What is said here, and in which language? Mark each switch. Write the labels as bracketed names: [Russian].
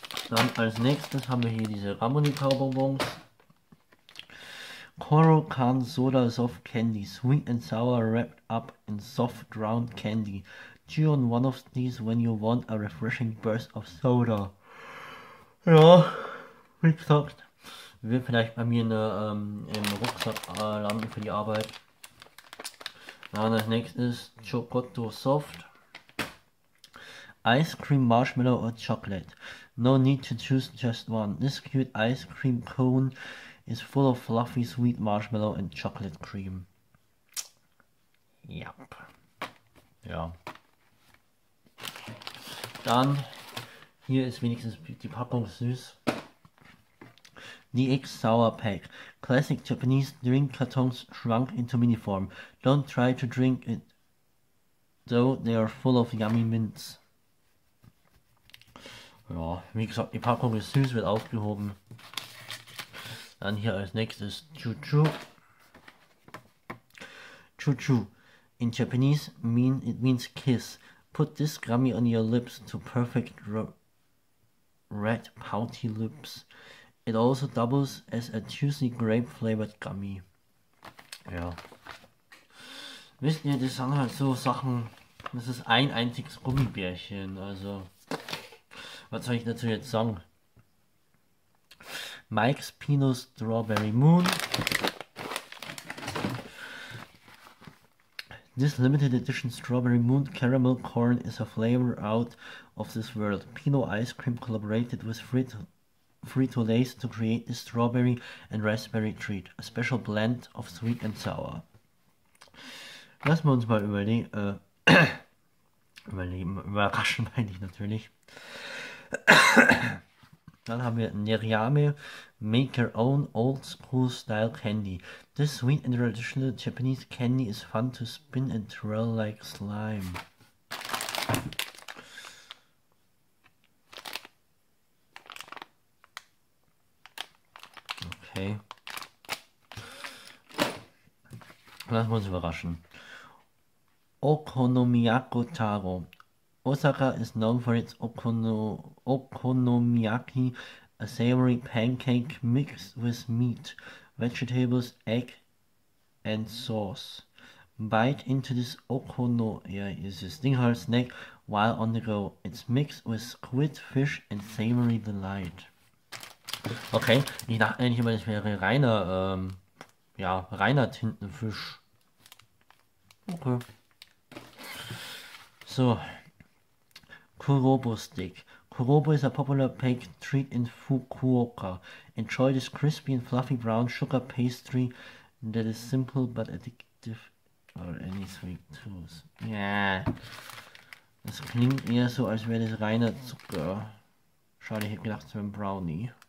[German] Dann als nächstes haben wir hier diese Ramuni-Kaubonbons. [English] Korokan Soda Soft Candy. Sweet and sour wrapped up in soft round candy. Chew on one of these when you want a refreshing burst of soda. [German] Ja, wie gesagt. Wird vielleicht bei mir im Rucksack landen für die Arbeit. Dann als nächstes Chocotto Soft. Ice Cream Marshmallow or Chocolate. [English] No need to choose just one. This cute ice cream cone is full of fluffy sweet marshmallow and chocolate cream. [German] Ja. Yep. Ja. Dann hier ist wenigstens die Packung süß. [English] DX Sour Pack. Classic Japanese drink cartons shrunk into mini form. Don't try to drink it, though they are full of yummy mints. [German] Ja, wie gesagt, die Packung ist süß, wird aufgehoben. Dann hier als nächstes Chuchu. [English] Chuchu. In Japanese, it means kiss. Put this gummy on your lips to perfect red pouty lips. It also doubles as a juicy grape flavored gummy. Ja. [German] Wisst ihr, das sind halt so Sachen. Das ist ein einziges Gummibärchen. Also. Was soll ich dazu jetzt sagen? [English] Mike's Pinot Strawberry Moon. This limited edition Strawberry Moon Caramel Corn is a flavor out of this world. Pinot Ice Cream collaborated with Frito-Lays to create the strawberry and raspberry treat, a special blend of sweet and sour. [German] Lassen wir uns mal überraschen meine ich natürlich. Dann haben wir Neriame Make Your Own Old School Style Candy. [English] This sweet and traditional Japanese candy is fun to spin and twirl like slime. Okay. [German] Lass uns überraschen. Okonomiyaki Taro. [English] Osaka is known for its Okonomiyaki, a savory pancake mixed with meat, vegetables, egg and sauce. Bite into this [German] Ding halt [English] Snack while on the go. It's mixed with squid, fish and savory delight. [German] Okay, ich dachte eigentlich immer, das wäre reiner, ja, reiner Tintenfisch. Okay. [English] So. Kurobo Stick. Kurobo is a popular baked treat in Fukuoka. Enjoy this crispy and fluffy brown sugar pastry that is simple but addictive. Oder any sweet tools. Ja. [German] Das klingt eher so, als wäre das reiner Zucker. Schade, ich hätte gedacht, es wäre ein Brownie.